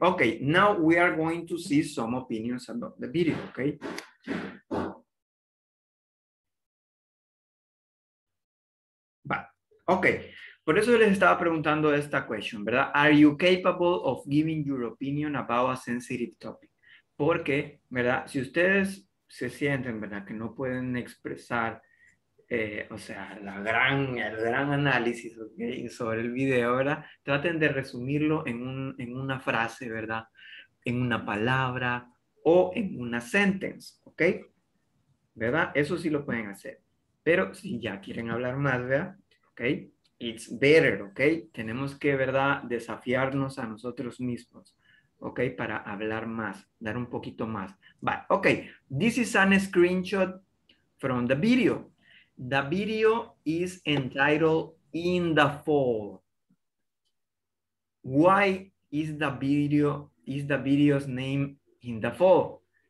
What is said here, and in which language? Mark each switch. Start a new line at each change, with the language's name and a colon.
English: Okay, now we are going to see some opinions about the video, okay?
Spanish: But, okay, por eso les estaba preguntando esta question, ¿verdad?
English: Are you capable of giving your opinion about a sensitive topic?
Spanish: Porque, ¿verdad? Si ustedes se sienten, ¿verdad? Que no pueden expresar, el gran análisis, okay, sobre el video, ¿verdad? Traten de resumirlo en una frase, ¿verdad? En una palabra o en una sentence, ¿ok? ¿Verdad? Eso sí lo pueden hacer. Pero si ya quieren hablar más, ¿verdad? ¿Ok?
English: It's better,
Spanish: ¿ok? Tenemos que, ¿verdad? Desafiarnos a nosotros mismos. Ok, para hablar más, dar un poquito más.
English: But, ok, this is a screenshot from the video. The video is entitled In the Fall. Why is the video's name In the Fall?